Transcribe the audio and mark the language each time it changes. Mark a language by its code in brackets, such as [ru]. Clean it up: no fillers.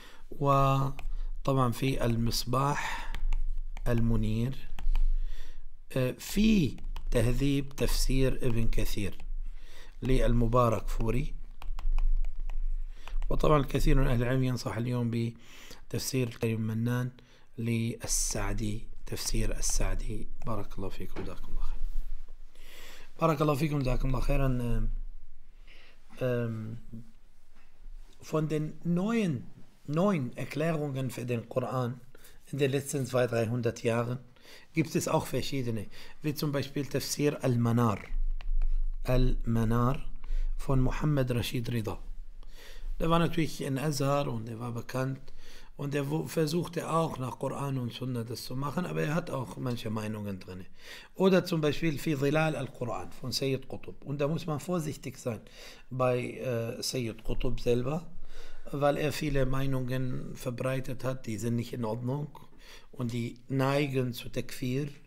[ar] وطبعا في المصباح المنير في تهذيب تفسير ابن كثير للمبارك فوري، وطبعا الكثير من أهل العلم ينصح اليوم بتفسير الكريم منان للسعدي، تفسير السعدي بارك الله فيكم جزاكم الله خير. بارك الله فيكم جزاكم الله خيرا. [de] Von den neuen Erklärungen für den Koran in den letzten 200-300 Jahren gibt es auch verschiedene, wie zum Beispiel تفسير المنار. [ar] المنار von محمد رشيد رضا. [de] Der war natürlich in Azhar und er war bekannt. Und er versuchte auch nach Koran und Sunna das zu machen, aber er hat auch manche Meinungen drin. Oder zum Beispiel في ظلال القرآن von Sayyid Qutb. Und da muss man vorsichtig sein bei Sayyid Qutb selber, weil er viele Meinungen verbreitet hat, die sind nicht in Ordnung und die neigen zu Takfir.